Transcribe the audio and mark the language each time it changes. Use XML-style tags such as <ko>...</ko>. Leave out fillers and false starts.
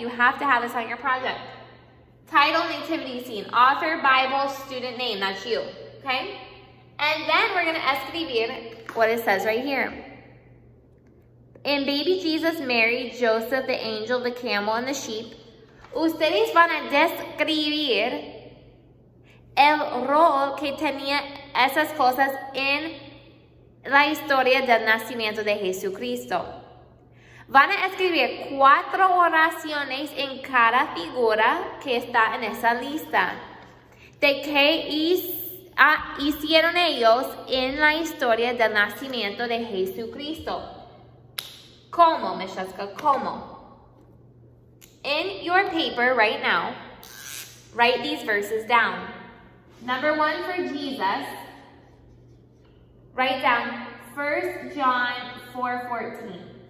<en>You have to have this on your project. Title, Nativity Scene, author, Bible, student name, that's you, okay? And then we're gonna escribir what it says right here. In baby Jesus, Mary, Joseph, the angel, the camel, and the sheep,</en> <es>Ustedes van a describir el rol que tenía esas cosas en la historia del nacimiento de Jesucristo. Van a escribir cuatro oraciones en cada figura que está en esa lista. ¿De qué hicieron ellos en la historia del nacimiento de Jesucristo? ¿Cómo, Mishaska? ¿Cómo?</es> <en>In your paper right now, write these verses down. Number one for Jesus, write down 1 John 4:14.</en>